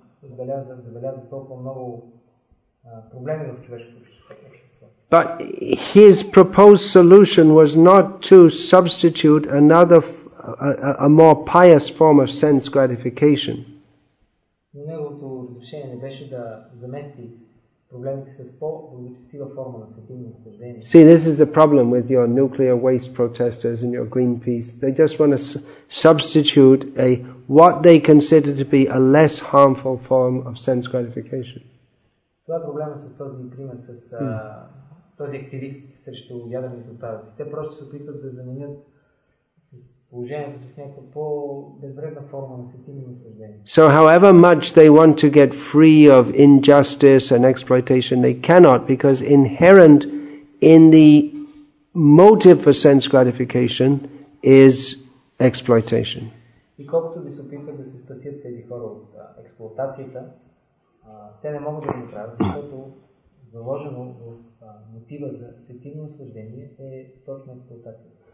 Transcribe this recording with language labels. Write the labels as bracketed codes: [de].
[bg] Забелязва толкова много проблеми в човешкото общество. [en] But his proposed solution was not to substitute another, a more pious form of sense gratification. See, this is the problem with your nuclear waste protesters and your Greenpeace. They just want to substitute a what they consider to be a less harmful form of sense gratification. [bg] Това е проблема с този пример, с този активист срещу ядрените отпадъци. Те просто се опитват да заменят положението с някаква по-безвредна форма на сетивно наслаждение. [en] So however much they want to get free of injustice and exploitation, they cannot, because inherent in the motive for sense gratification is exploitation. [bg] И колкото да се опитват да се спасят тези хора от експлоатацията, те не могат да го правят, защото заложено в мотива за сетивно наслаждение е точно експлоатацията.